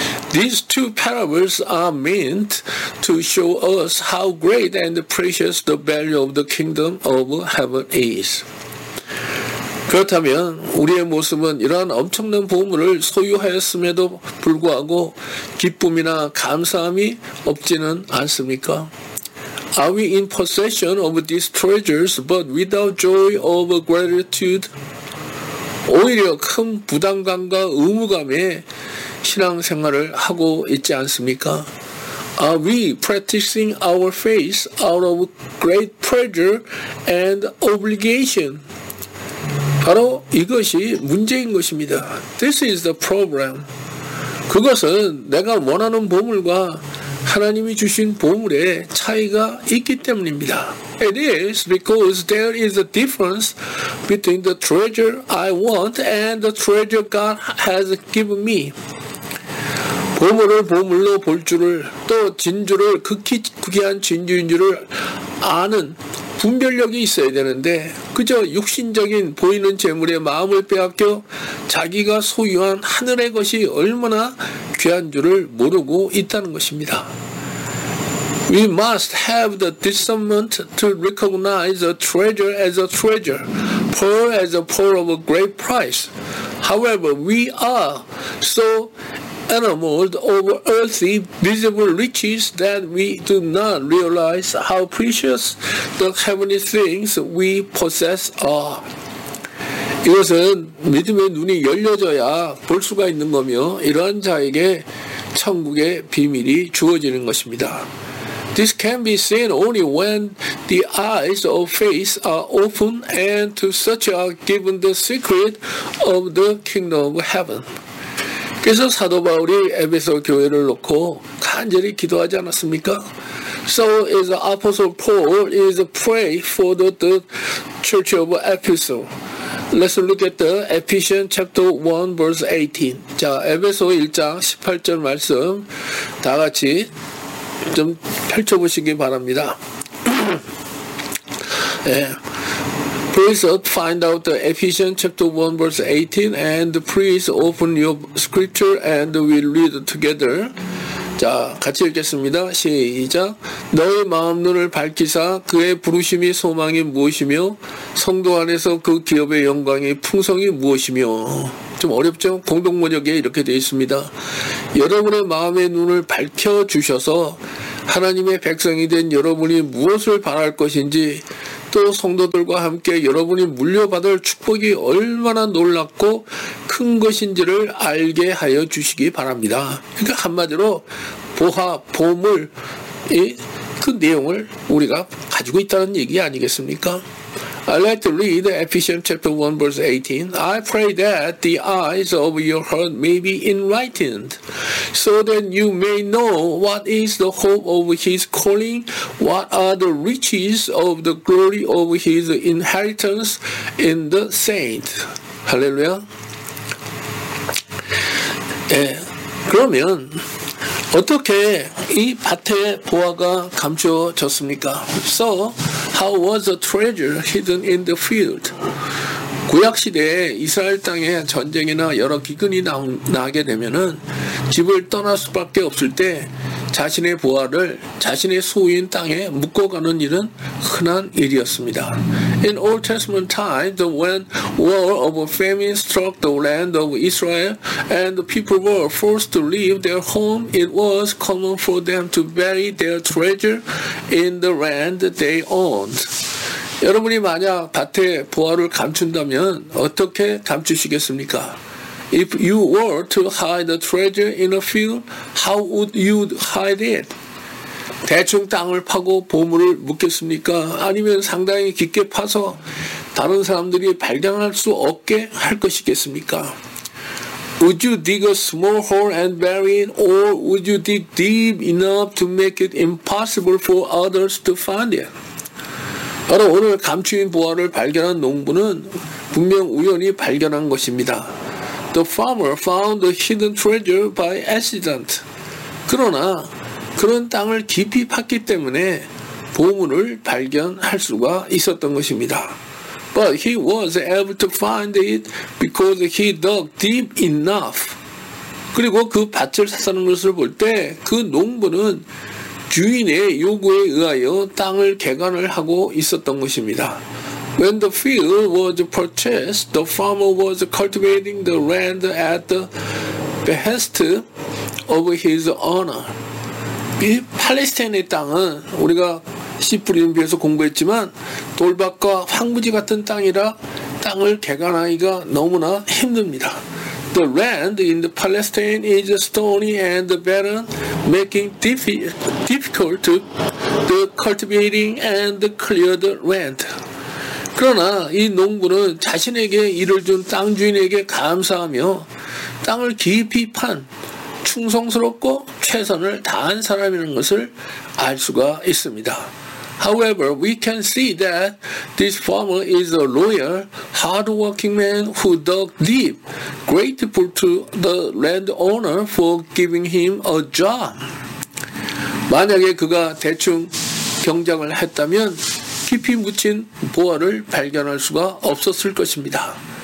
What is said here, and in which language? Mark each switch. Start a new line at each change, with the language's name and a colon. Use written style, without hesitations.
English: These two parables are meant to show us how great and precious the value of the kingdom of heaven is.
Korean: 그렇다면 우리의 모습은 이러한 엄청난 보물을 소유하였음에도 불구하고 기쁨이나 감사함이 없지는 않습니까?
English: Are we in possession of these treasures but without joy or gratitude?
Korean: 오히려 큰 부담감과 의무감에 신앙생활을 하고 있지 않습니까?
English: Are we practicing our faith out of great pressure and obligation?
Korean: 바로 이것이 문제인 것입니다.
English: This is the problem.
Korean: 그것은 내가 원하는 보물과 하나님이 주신 보물의 차이가 있기 때문입니다.
English: It is because there is a difference between the treasure I want and the treasure God has given me.
Korean: 보물을 보물로 볼 줄을 또 진주를 극히 귀한 진주인 줄을 아는 분별력이 있어야 되는데 그저 육신적인 보이는 재물에 마음을 빼앗겨 자기가 소유한 하늘의 것이 얼마나 귀한 줄을 모르고 있다는 것입니다.
English: We must have the discernment to recognize a treasure as a treasure, pearl as a pearl of a great price. However, we are so enamored over earthly visible riches that we do not realize how precious the heavenly things we possess are.
Korean: 이것은 믿음의 눈이 열려져야 볼 수가 있는 거며 이러한 자에게 천국의 비밀이 주어지는 것입니다.
English: This can be seen only when the eyes of faith are open and to such are given the secret of the kingdom of heaven.
Korean: 그래서 사도 바울이 에베소 교회를 놓고 간절히 기도하지 않았습니까?
English: So is the apostle Paul is pray for the church of Ephesus. Let's look at the Ephesians chapter 1 verse 18.
Korean: 자, 에베소 1장 18절 말씀 다 같이 좀 펼쳐 보시기 바랍니다. 예.
English: Please find out the Ephesians chapter 1 verse 18 and please open your scripture and we read together.
Korean: 자, 같이 읽겠습니다. 시작. 너의 마음 눈을 밝히사 그의 부르심이 소망이 무엇이며 성도 안에서 그 기업의 영광이 풍성이 무엇이며. 좀 어렵죠? 공동 번역에 이렇게 되어 있습니다. 여러분의 마음의 눈을 밝혀 주셔서 하나님의 백성이 된 여러분이 무엇을 바랄 것인지 또 성도들과 함께 여러분이 물려받을 축복이 얼마나 놀랍고 큰 것인지를 알게 하여 주시기 바랍니다. 그러니까 한마디로 보화, 보물, 그 내용을 우리가 가지고 있다는 얘기 아니겠습니까?
English: I like to read Ephesians chapter 1 verse 18. I pray that the eyes of your heart may be enlightened, so that you may know what is the hope of his calling, what are the riches of the glory of his inheritance in the saints. Hallelujah.
Korean: 네, 그러면 어떻게 이 밭에 보화가 감추어졌습니까?
English: So, how was the treasure hidden in the field?
Korean: 구약 시대에 이스라엘 땅에 전쟁이나 여러 기근이 나게 되면은 집을 떠날 수밖에 없을 때 자신의 보화를 자신의 소유인 땅에 묶어가는 일은 흔한 일이었습니다.
English: In Old Testament times, when war of famine struck the land of Israel and the people were forced to leave their home, it was common for them to bury their treasure in the land they owned.
Korean: 여러분이 만약 밭에 보화를 감춘다면 어떻게 감추시겠습니까?
English: If you were to hide a treasure in a field, how would you hide it?
Korean: 대충 땅을 파고 보물을 묻겠습니까? 아니면 상당히 깊게 파서 다른 사람들이 발견할 수 없게 할 것이겠습니까?
English: Would you dig a small hole and bury it, or would you dig deep enough to make it impossible for others to find it?
Korean: 바로 오늘 감추인 보화를 발견한 농부는 분명 우연히 발견한 것입니다.
English: The farmer found a hidden treasure by accident.
Korean: 그러나 그런 땅을 깊이 팠기 때문에 보물을 발견할 수가 있었던 것입니다.
English: But he was able to find it because he dug deep enough.
Korean: 그리고 그 밭을 샀다는 것을 볼 때 그 농부는 주인의 요구에 의하여 땅을 개간을 하고 있었던 것입니다.
English: When the field was purchased, the farmer was cultivating the land at the behest of his owner.
Korean: 이 팔레스타인의 땅은 우리가 씨뿌리는 비에서 공부했지만 돌밭과 황무지 같은 땅이라 땅을 개간하기가 너무나 힘듭니다.
English: The land in the Palestine is stony and barren, making difficult the cultivating and clear the land.
Korean: 그러나 이 농부는 자신에게 일을 준 땅 주인에게 감사하며 땅을 깊이 판 충성스럽고 최선을 다한 사람이라는 것을 알 수가 있습니다.
English: However, we can see that this farmer is a loyal, hard-working man who dug deep, grateful to the landowner for giving him a job.
Korean: 만약에 그가 대충 경작을 했다면 깊이 묻힌 보화를 발견할 수가 없었을 것입니다.